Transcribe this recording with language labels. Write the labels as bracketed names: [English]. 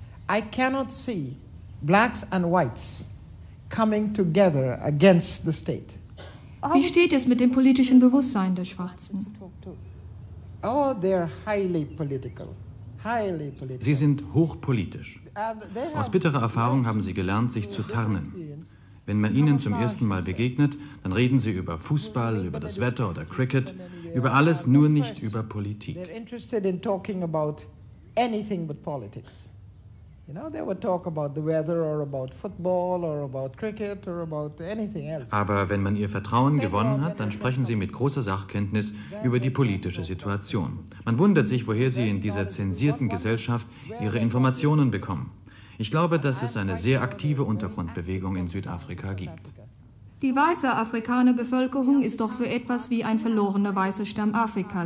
[English] I cannot see blacks and whites coming together against the state. [German] Wie steht es mit dem politischen Bewusstsein der Schwarzen? [English] Oh, they're highly political. Highly political. [German] Sie sind hochpolitisch. Aus bitterer Erfahrung haben sie gelernt, sich zu tarnen. Wenn man ihnen zum ersten Mal begegnet, dann reden sie über Fußball, über das Wetter oder Cricket. Über alles, nur nicht über Politik. [English] They're interested in talking about anything but politics. You know, they would talk about the weather or about football or about cricket or about anything else. [German] Aber wenn man ihr Vertrauen gewonnen hat, dann sprechen sie mit großer Sachkenntnis über die politische Situation. Man wundert sich, woher sie in dieser zensierten Gesellschaft ihre Informationen bekommen. Ich glaube, dass es eine sehr aktive Untergrundbewegung in Südafrika gibt. Die weiße afrikanische Bevölkerung ist doch so etwas wie ein verlorener weißer Stamm Afrika.